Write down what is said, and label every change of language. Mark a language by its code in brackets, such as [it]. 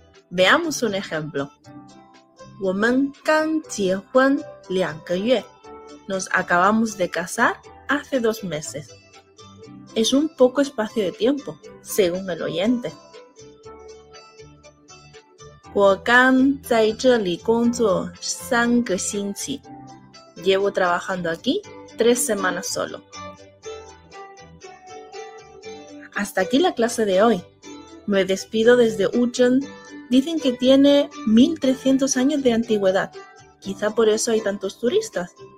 [es] Veamos un ejemplo. [zh] 我们刚结婚两个月。 [es] Nos acabamos de casar hace 2 meses. Es un poco espacio de tiempo, según el oyente. [zh] 我刚在这里工作三个星期。 [es] Llevo trabajando aquí 3 semanas solo. Hasta aquí la clase de hoy. Me despido desde Uchen. Dicen que tiene 1300 años de antigüedad. Quizá por eso hay tantos turistas.